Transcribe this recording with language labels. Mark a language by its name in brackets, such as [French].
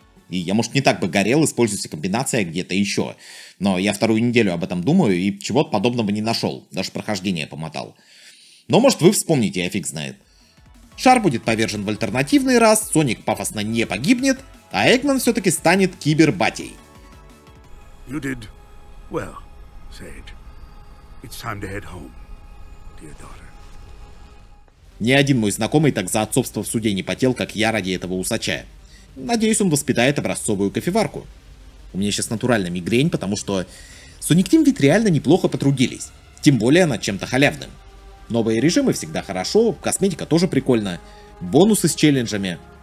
[Russian] И я, может, не так бы горел, используется комбинация где-то еще. Но я вторую неделю об этом думаю и чего-то подобного не нашел. Даже прохождение помотал. Но, может, вы вспомните, я фиг знает. Шар будет повержен в альтернативный раз, Соник пафосно не погибнет, а Эггман все-таки станет кибербатей. [English] You did well, Sage. It's time to head home, dear daughter. [Russian] Ни один мой знакомый так за отцовство в суде не потел, как я ради этого усача. Надеюсь, он воспитает образцовую кофеварку. У меня сейчас натурально мигрень, потому что Sonic Team ведь реально неплохо потрудились. Тем более над чем-то халявным. Новые режимы всегда хорошо, косметика тоже прикольна, бонусы с челленджами.